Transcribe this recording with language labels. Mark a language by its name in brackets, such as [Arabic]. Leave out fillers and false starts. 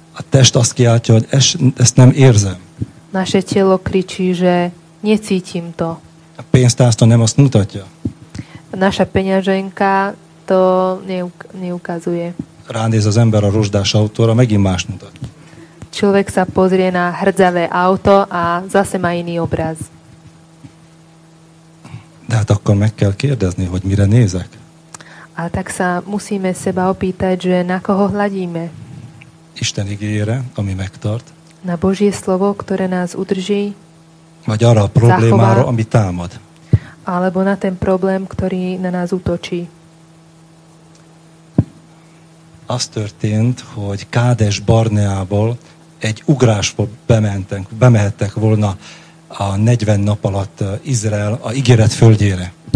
[Hungarian] A test azt kiáltja, hogy ezt nem érzem. [Slovak] Naše telo kričí, že necítim to. [Hungarian] A pénztárca nem azt mutatja. [Slovak] Naša peňaženka to neukazuje. [Hungarian] Ránéz az ember a rozsdás autóra, megint más mutat. [Slovak] Človek sa pozrie na hrdzavé auto a zase má iný obraz. [Hungarian] De hát akkor meg kell kérdezni, hogy mire nézek. [Slovak] A tak sa musíme seba opýtať, že na koho hladíme. [Hungarian] Isten igéjére, ami megtart. [Slovak] Na Božie slovo, ktoré nás udrží. [Hungarian] Vagy arra a problémára, [Slovak] zachová, [Hungarian] ami támad. [Slovak] Alebo na ten problém, ktorý na nás útočí. [Hungarian] Az történt, hogy Kádes Barneából egy ugrásból bemehettek volna a 40 nap alatt Izrael a ígéret földjére.